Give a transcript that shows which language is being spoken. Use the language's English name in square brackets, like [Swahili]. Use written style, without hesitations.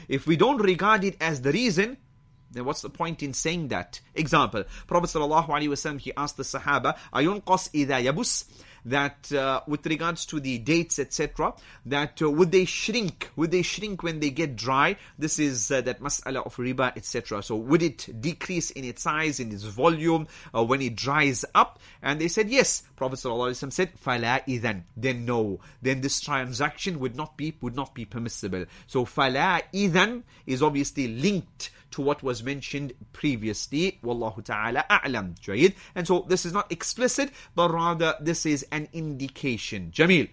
[English] If we don't regard it as the reason, then what's the point in saying that? Example, Prophet sallallahu alayhi wa sallam, he asked the sahaba, [Arabic] ayunqas idha yabus? [English] that with regards to the dates, etc., that would they shrink? Would they shrink when they get dry? This is that mas'ala of riba, etc. So would it decrease in its size, in its volume, when it dries up? And they said, yes. [Arabic] Prophet ﷺ said, فَلَا إِذَنْ. [English] Then no. Then this transaction would not be permissible. So [Arabic] فَلَا إِذَنْ [English] is obviously linked to what was mentioned previously. Wallahu ta'ala a'lam. Jayid. And so this is not explicit, but rather this is an indication. Jameel.